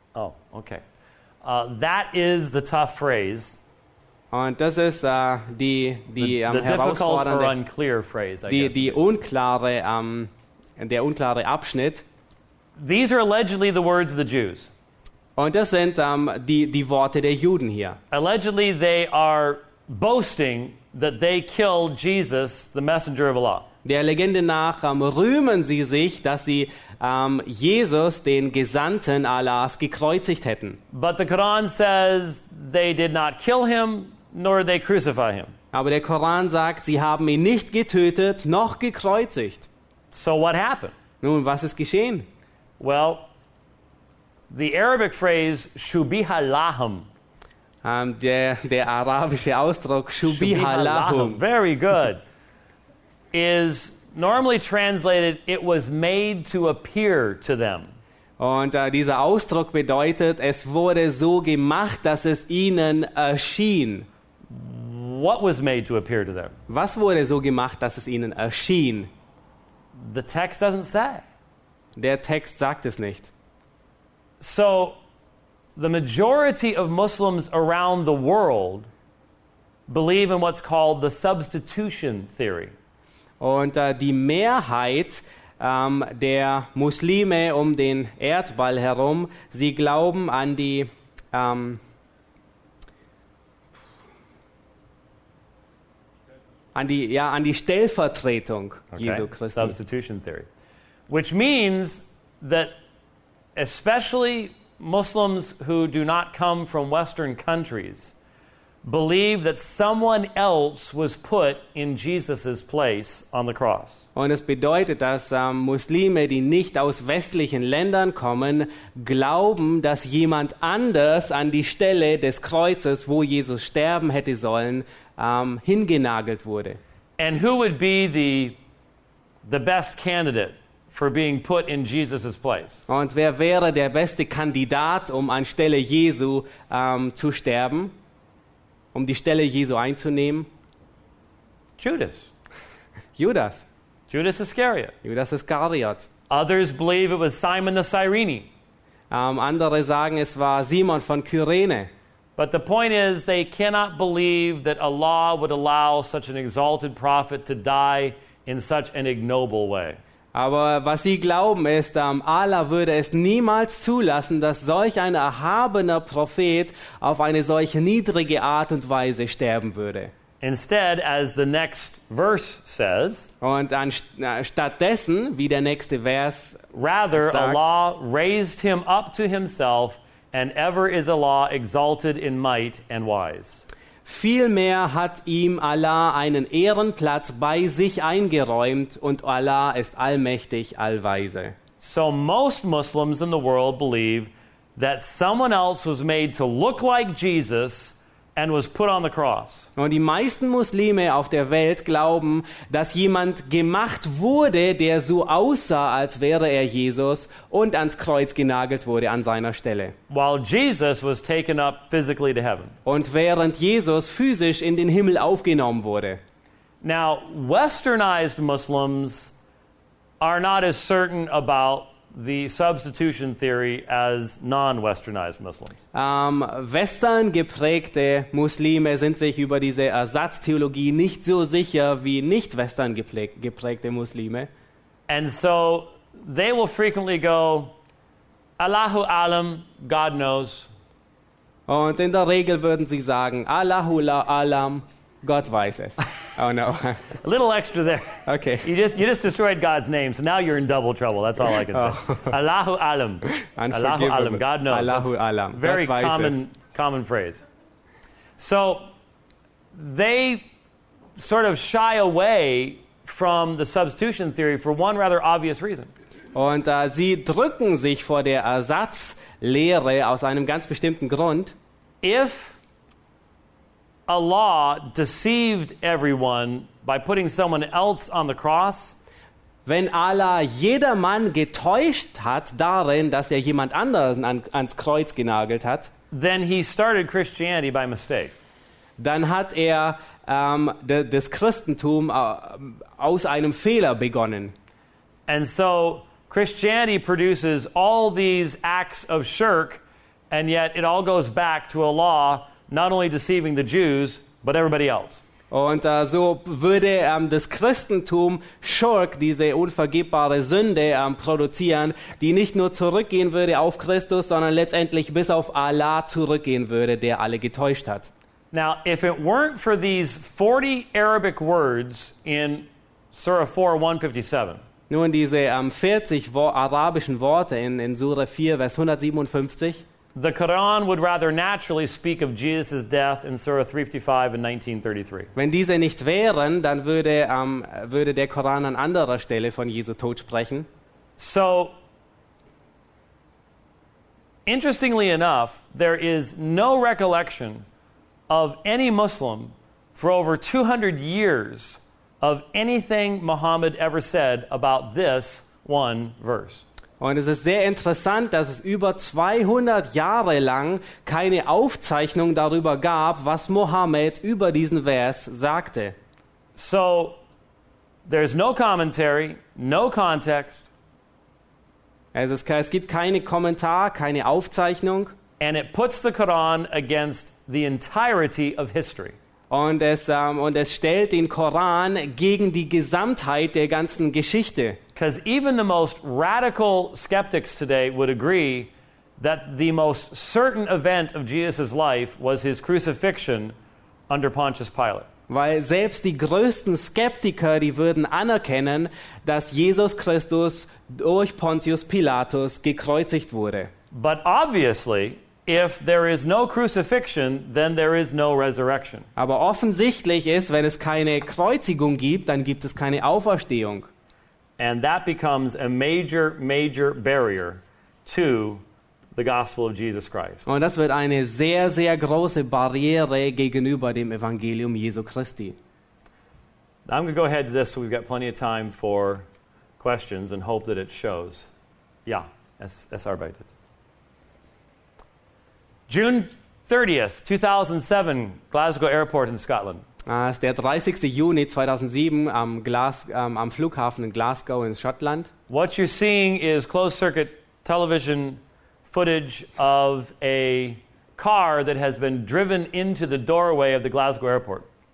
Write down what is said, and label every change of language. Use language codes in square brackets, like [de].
[en] Oh, okay. That is the tough phrase. [de] Und das ist die [en] difficult or unclear phrase. [de] Der unklare Abschnitt. [en] These are allegedly the words of the Jews. [de] Und das sind die Worte der Juden hier. [en] Allegedly, they are boasting that they killed Jesus, the messenger of Allah. [de] Der Legende nach rühmen sie sich, dass sie Jesus, den Gesandten Allahs, gekreuzigt hätten. [en] But the Quran says they did not kill him, nor did they crucify him. [de] Aber der Koran sagt, sie haben ihn nicht getötet, noch gekreuzigt. [en] So what happened? [de] Nun, was ist geschehen? [en] Well, the Arabic phrase [ar] shubiha lahum. [de] Der arabische Ausdruck [ar] shubiha lahum. [en] Very good. Is normally translated, it was made to appear to them. [de] Und dieser Ausdruck bedeutet, es wurde so gemacht, dass es ihnen erschien. [en] What was made to appear to them? [de] Was wurde so gemacht, dass es ihnen erschien? [en] The text doesn't say. [de] Der Text sagt es nicht. [en] So, the majority of Muslims around the world believe in what's called the substitution theory. [de] Und die Mehrheit der Muslime um den Erdball herum, sie glauben an die an die Stellvertretung, [en] okay. [de] Jesu Christi. [en] Substitution theory. Which means that especially Muslims who do not come from Western countries believe that someone else was put in Jesus's place on the cross. [de] Und es bedeutet, dass Muslime, die nicht aus westlichen Ländern kommen, glauben, dass jemand anders an die Stelle des Kreuzes, wo Jesus sterben hätte sollen, hingenagelt wurde. [en] And who would be the best candidate for being put in Jesus's place? [de] Und wer wäre der beste Kandidat, um anstelle Jesu zu sterben? Um die Stelle Jesu einzunehmen? [en] Judas. Judas Iscariot. [de] Judas Iscariot. [en] Others believe it was Simon the Cyrene. [de] Andere sagen, es war Simon von Kyrene. [en] But the point is, they cannot believe that Allah would allow such an exalted prophet to die in such an ignoble way. [de] Aber was sie glauben ist, Allah würde es niemals zulassen, dass solch ein erhabener Prophet auf eine solch niedrige Art und Weise sterben würde. [en] Instead, as the next verse says, [de] und stattdessen, wie der nächste Vers [en] rather [de] sagt, [en] Allah raised him up to himself, and ever is Allah exalted in might and wise. [de] Vielmehr hat ihm Allah einen Ehrenplatz bei sich eingeräumt und Allah ist allmächtig, allweise. [en] So most Muslims in the world believe that someone else was made to look like Jesus and was put on the cross. [de] Und die meisten Muslime auf der Welt glauben, dass jemand gemacht wurde, der so aussah, als wäre er Jesus und ans Kreuz genagelt wurde an seiner Stelle. [en] While Jesus was taken up physically to heaven. [de] Und während Jesus physisch in den Himmel aufgenommen wurde. [en] Now, westernized Muslims are not as certain about the substitution theory as non-westernized Muslims. [de] Western geprägte Muslime sind sich über diese Ersatztheologie nicht so sicher wie nicht western geprägte Muslime. [en] And so they will frequently go, [ar] Allahu alam, [en] God knows. [de] Und in der Regel würden sie sagen, [ar] Allahu la alam, [de] Gott weiß es. [en] Oh no. A little extra there. Okay. You just destroyed God's name, so now you're in double trouble. That's all I can say. Oh. [ar] Allahu alam. Allahu alam, [en] God knows. [ar] Allahu alam. [en] Very common phrase. So they sort of shy away from the substitution theory for one rather obvious reason. [de] Und sie drücken sich vor der Ersatzlehre aus einem ganz bestimmten Grund. [en] If a law deceived everyone by putting someone else on the cross, [de] wenn Allah jedermann getäuscht hat darin, dass er jemand anderen ans Kreuz genagelt hat, [en] then he started Christianity by mistake. [de] Dann hat er das Christentum aus einem Fehler begonnen. [en] And so Christianity produces all these acts of shirk, and yet it all goes back to a law not only deceiving the Jews, but everybody else. [de] Und so würde das Christentum Schurk, diese unvergebbare Sünde, produzieren, die nicht nur zurückgehen würde auf Christus, sondern letztendlich bis auf Allah zurückgehen würde, der alle getäuscht hat. [en] Now, if it weren't for these 40 Arabic words in Surah 4:157. [de] Nun, diese 40 arabischen Worte in Surah 4, Vers 157. [en] The Quran would rather naturally speak of Jesus' death in Surah 355 in 1933. [de] Wenn diese nicht wären, dann würde der Koran an anderer Stelle von Jesu Tod sprechen. [en] So, interestingly enough, there is no recollection of any Muslim for over 200 years of anything Muhammad ever said about this one verse. [de] Und es ist sehr interessant, dass es über 200 Jahre lang keine Aufzeichnung darüber gab, was Mohammed über diesen Vers sagte. [en] So, there's no commentary, no context. [de] Es gibt keinen Kommentar, keine Aufzeichnung. [en] And it puts the Quran against the entirety of history. [de] Und es stellt den Koran gegen die Gesamtheit der ganzen Geschichte. [en] Because even the most radical skeptics today would agree that the most certain event of Jesus' life was his crucifixion under Pontius Pilate. [de] Weil selbst die größten Skeptiker, die würden anerkennen, dass Jesus Christus durch Pontius Pilatus gekreuzigt wurde. [en] But obviously, if there is no crucifixion, then there is no resurrection. [de] Aber offensichtlich ist, wenn es keine Kreuzigung gibt, dann gibt es keine Auferstehung. [en] And that becomes a major, major barrier to the gospel of Jesus Christ. [de] Und das wird eine sehr, sehr große Barriere gegenüber dem Evangelium Jesu Christi. [en] I'm going to go ahead to this so we've got plenty of time for questions and hope that it shows. [de] Yeah, es arbeitet. [en] June 30th, 2007, Glasgow Airport in Scotland. [de] Es ist der 30. Juni 2007 am Flughafen in Glasgow in Schottland. [en] What you're seeing is closed-circuit television footage of a car that has been driven into the doorway of the Glasgow Airport.